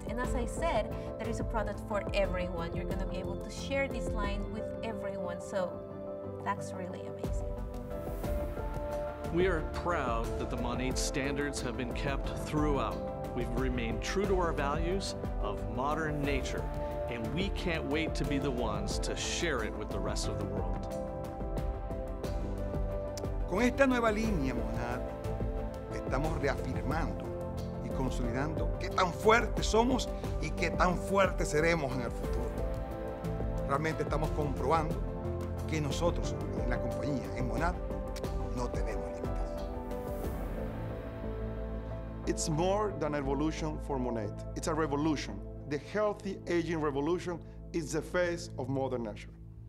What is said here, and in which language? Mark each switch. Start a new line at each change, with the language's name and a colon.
English: And as I said, there is a product for everyone. You're gonna be able to share this line with everyone, so that's really amazing. We are proud that the MONAT standards have been kept throughout. We've remained true to our values of modern nature, and we can't wait to be the ones to share it with the rest of the world.
Spanish: Con esta nueva línea, MONAT, estamos reafirmando y consolidando qué tan fuertes somos y qué tan fuertes seremos en el futuro. Realmente estamos comprobando que nosotros, en la compañía, en MONAT, no tenemos límites.
English: It's more than a revolution for MONAT. It's a revolution. The healthy aging revolution is the face of modern nature.